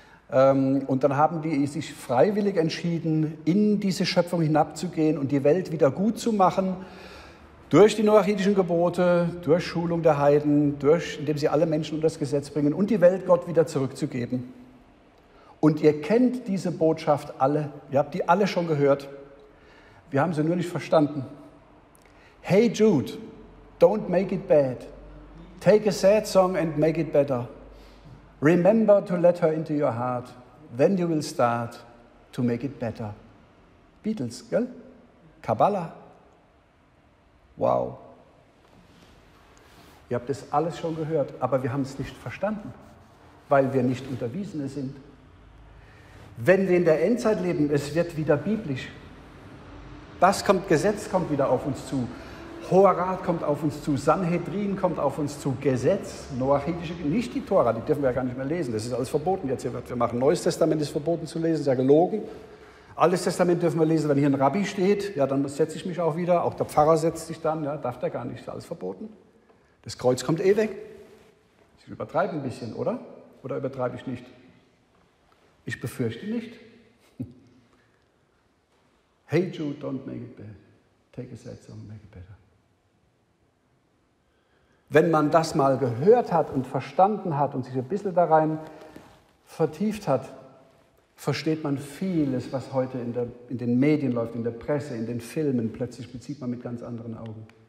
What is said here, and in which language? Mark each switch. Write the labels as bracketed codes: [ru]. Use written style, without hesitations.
[de] Und dann haben die sich freiwillig entschieden, in diese Schöpfung hinabzugehen und die Welt wieder gut zu machen durch die noahidischen Gebote, durch Schulung der Heiden, indem sie alle Menschen unter das Gesetz bringen und die Welt Gott wieder zurückzugeben. Und ihr kennt diese Botschaft alle, ihr habt die alle schon gehört. Wir haben sie nur nicht verstanden. [en] Hey Jude, don't make it bad. Take a sad song and make it better. Remember to let her into your heart. Then you will start to make it better. [de] Beatles, gell? Kabbalah. Wow. Ihr habt das alles schon gehört, aber wir haben es nicht verstanden, weil wir nicht Unterwiesene sind. Wenn wir in der Endzeit leben, es wird wieder biblisch. Das kommt, Gesetz kommt wieder auf uns zu. Hoher Rat kommt auf uns zu. Sanhedrin kommt auf uns zu. Gesetz, noachidische, nicht die Tora, die dürfen wir ja gar nicht mehr lesen. Das ist alles verboten jetzt hier, was wir machen. Neues Testament ist verboten zu lesen, ist ja gelogen. Altes Testament dürfen wir lesen, wenn hier ein Rabbi steht, ja, dann setze ich mich auch wieder. Auch der Pfarrer setzt sich dann, ja, darf der gar nicht, ist alles verboten. Das Kreuz kommt eh weg. Sie übertreiben ein bisschen, oder? Oder übertreibe ich nicht? Ich befürchte nicht. [en] Hey Jude, don't make it bad. Take a sad song, make it better. [de] Wenn man das mal gehört hat und verstanden hat und sich ein bisschen darin vertieft hat, versteht man vieles, was heute in den Medien läuft, in der Presse, in den Filmen. Plötzlich sieht man mit ganz anderen Augen.